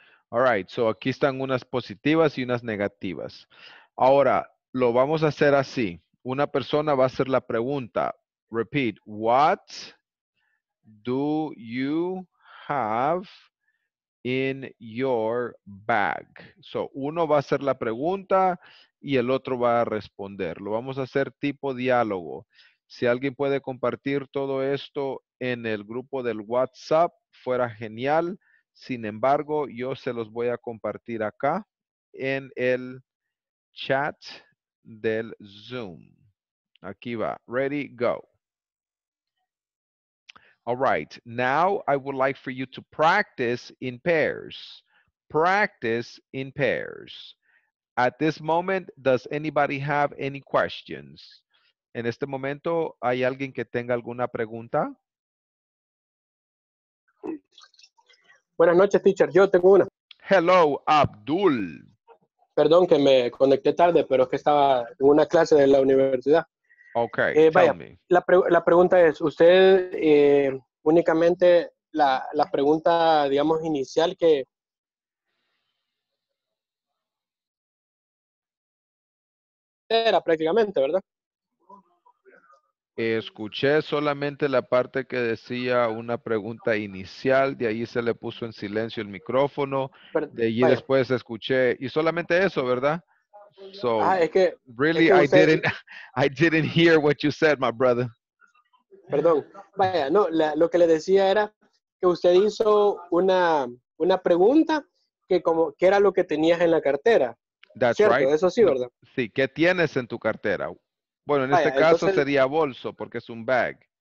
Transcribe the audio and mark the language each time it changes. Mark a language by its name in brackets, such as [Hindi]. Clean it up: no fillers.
[English] All right, so [Spanish] aquí están unas positivas y unas negativas. Ahora, lo vamos a hacer así. Una persona va a hacer la pregunta. [English] Repeat, what do you have in your bag? [Spanish] So, uno va a hacer la pregunta y el otro va a responder. Lo vamos a hacer tipo diálogo. Si alguien puede compartir todo esto en el grupo del WhatsApp, fuera genial. Sin embargo, yo se los voy a compartir acá en el chat del Zoom. Aquí va. [English] Ready, go. All right. Now, I would like for you to practice in pairs. Practice in pairs. At this moment, does anybody have any questions? [Spanish] En este momento, ¿hay alguien que tenga alguna pregunta? Buenas noches, teacher. Yo tengo una. [English] Hello, Abdul. [Spanish] Perdón que me conecté tarde, pero es que estaba en una clase de la universidad. [English] Ok, [Spanish] vaya, [English] tell me. [Spanish] La pregunta es, usted únicamente la pregunta, digamos, inicial que... Era prácticamente, ¿verdad? Escuché solamente la parte que decía una pregunta inicial, de ahí se le puso en silencio el micrófono, de allí vaya. Después escuché, y solamente eso, ¿verdad? So, es que, [English] really, [Spanish] es que [English] I didn't hear what you said, my brother. [Spanish] Perdón, vaya, no, lo que le decía era que usted hizo una pregunta que como, ¿qué era lo que tenías en la cartera? [English] That's [Spanish] ¿cierto? [English] Right. [Spanish] Eso sí, ¿verdad? Sí, ¿qué tienes en tu cartera? Bueno, en este caso entonces, sería bolso, porque es un bag.